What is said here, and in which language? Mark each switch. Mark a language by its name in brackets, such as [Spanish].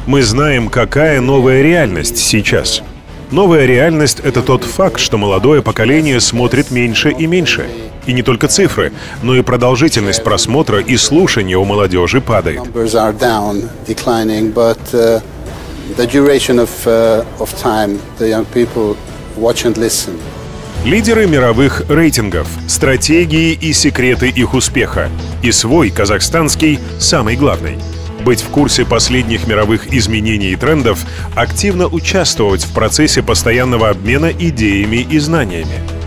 [Russian] Мы знаем, какая новая реальность сейчас. Новая реальность – это тот факт, что молодое поколение смотрит меньше и меньше. И не только цифры, но и продолжительность просмотра и слушания у молодежи падает. [English] Numbers are down, declining, but the duration of time the young people watch and listen. [Russian] Лидеры мировых рейтингов, стратегии и секреты их успеха. И свой, казахстанский, самый главный. Быть в курсе последних мировых изменений и трендов, активно участвовать в процессе постоянного обмена идеями и знаниями.